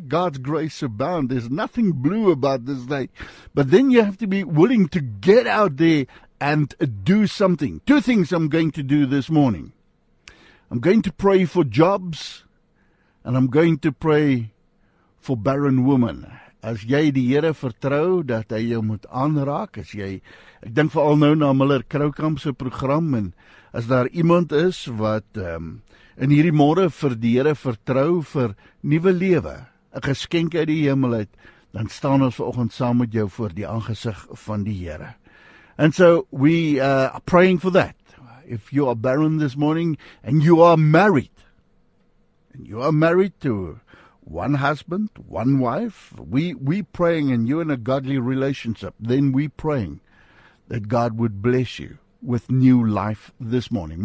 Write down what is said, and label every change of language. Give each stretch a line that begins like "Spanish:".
English: God's grace abound. There's nothing blue about this day. But then you have to be willing to get out there and do something. Two things I'm going to do this morning. I'm going to pray for jobs, and I'm going to pray for barren women.
Afrikaans: As jy die Here vertrou dat hy jou moet aanraak, as jy, ek dink veral nou na Miller Kroukamp se program, en as daar iemand is wat in hierdie môre vir die Here vertrou vir nuwe lewe, 'n geskenk uit die hemel uit, dan staan ons vanoggend saam met jou voor die aangesig van die Here.
English: And so we are praying for that. If you are barren this morning and you are married, and you are married to one husband, one wife, we praying, and you're in a godly relationship, then we praying that God would bless you with new life this morning.